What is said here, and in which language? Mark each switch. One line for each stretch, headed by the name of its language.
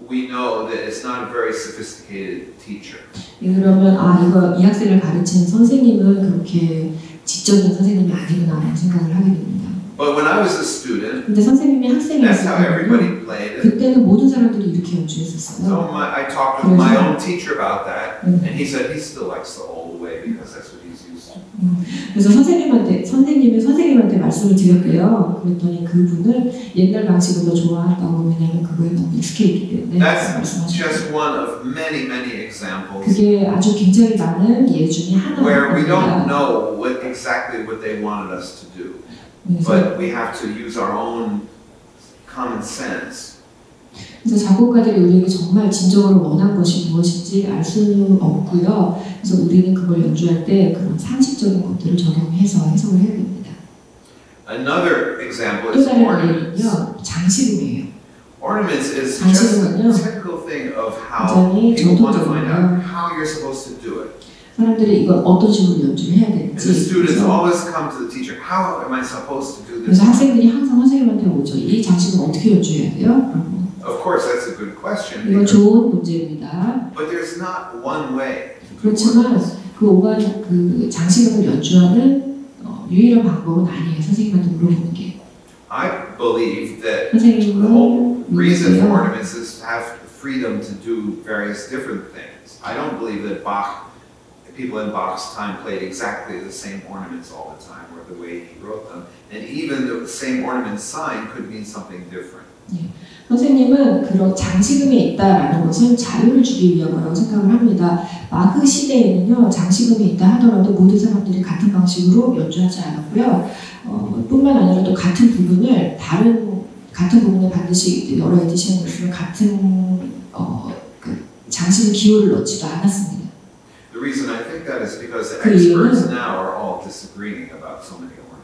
English: We know that it's not a very sophisticated teacher.
Korean: 그러면 아 이거 이 학생을 가르치는 선생님은 그렇게 지적인 선생님이 아니구나라는 생각을 하게 됩니다.
English: But when I was a student,
Korean: 근데 선생님이 학생이었을 때,
English: that's how everybody played.
Korean: 그때는 모든 사람들이 이렇게 연주했었어요.
English: So I talked with my own teacher about that, and he said he still likes the old way because that's what he's used to.
Korean: 그래서 선생님한테 말씀을 드렸대요. 그랬더니 그분은 옛날 방식을 더 좋아한다고 왜냐면 그거에 너무 익숙해있기 때문에 말씀하셨어요.
English: Just one of many, many examples.
Korean: 그게 아주 굉장히 많은 예 중에 하나입니다.
English: Where we don't know what exactly what they wanted us to do, but we have to use our own common sense.
Korean: 그래서 작곡가들이 우리에게 정말 진정으로 원한 것이 무엇인지 알 수는 없고요. 그래서 우리는 그걸 연주할 때 그런 상식적인 것들을 적용해서 해석을 해야 됩니다.
English: Another example
Korean: 또 다른 예는요, 장식음이에요.
English: Ornaments is just a technical thing of how people want to find out how you're supposed to do it.
Korean: 사람들이 이걸 어떤 식으로 연주해야 되는지
English: And the students always come to the teacher, how am I supposed to do this?
Korean: 그래서 학생들이 항상 선생님한테 오죠. 이 장식음 어떻게 연주해야 돼요?
English: Of course, that's a good question.
Korean: 이건 좋은 문제입니다.
English: But there's not one way.
Korean: 그렇지만 그 오간 그 장식음을 연주하는 유일한 방법은 아니에요. 선생님한테 물어보는 게.
English: I believe that the whole reason for ornaments is to have freedom to do various different things. I don't believe that Bach people in Bach's time played exactly the same ornaments all the time, or the way he wrote them, and even the same ornament sign could mean something different.
Korean: 선생님은 그런 장식음이 있다라는 것은 자유를 주기 위함이라고 생각을 합니다. 마크 시대에는요, 장식음이 있다 하더라도 모든 사람들이 같은 방식으로 연주하지 않았고요. 뿐만 아니라 또 같은 부분을 다른, 같은 부분을 반드시 여러 에디션을 주면 같은 그 장식의 기호를 넣지도 않았습니다.
English: The reason I think that is because the experts now are all disagreeing about so many.